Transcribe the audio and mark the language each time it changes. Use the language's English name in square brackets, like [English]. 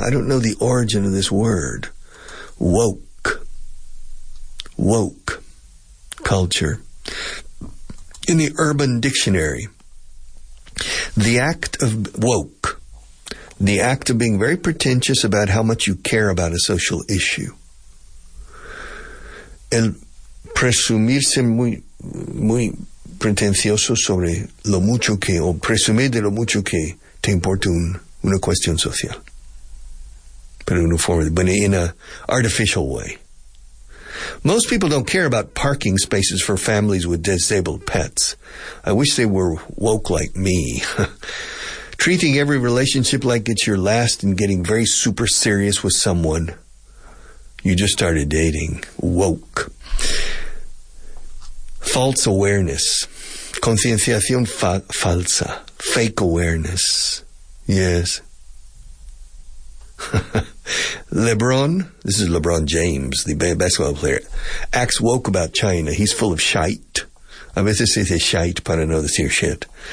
[English] I don't know the origin of this word. Woke. Woke. Culture. In the Urban Dictionary, the act of woke. The act of being very pretentious about how much you care about a social issue. [Spanish] El presumirse muy pretencioso sobre lo mucho que, o presumir de lo mucho que te importa una cuestión social. [English] Pero in a form, but in an artificial way. Most people don't care about parking spaces for families with disabled pets. I wish they were woke like me. Treating every relationship like it's your last and getting very super serious with someone you just started dating. Woke. False awareness. [Spanish] Concienciación falsa. [English] Fake awareness. Yes. LeBron, this is LeBron James, the basketball player, acts woke about China. He's full of shite. [Spanish] A veces dice shite para no decir shit.